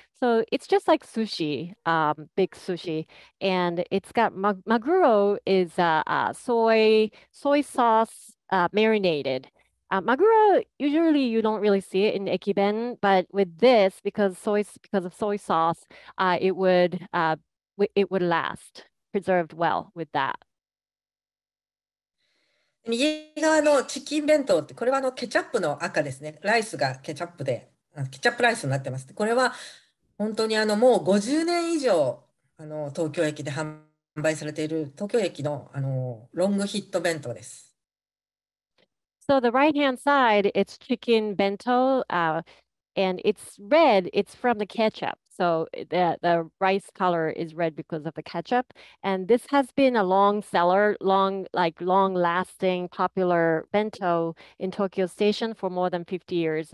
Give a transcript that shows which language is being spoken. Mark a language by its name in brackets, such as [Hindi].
[English] So it's just like sushi, big sushi. And it's got maguro is soy sauce marinated. Maguro, usually you don't really see it in ekiben, but with this, because of soy sauce, it would last preserved well with that. [Japanese] 右側のチキン弁当って、これはあのケチャップの赤ですね。ライスがケチャップで、ケチャップライスになってます。これは本当にあのもう50年以上あの東京駅で販売されている東京駅のあのロングヒット弁当です。 [English] So the right hand side, it's chicken bento, and it's red, it's from the ketchup. So the rice color is red because of the ketchup. And this has been a long seller, long lasting popular bento in Tokyo Station for more than 50 years.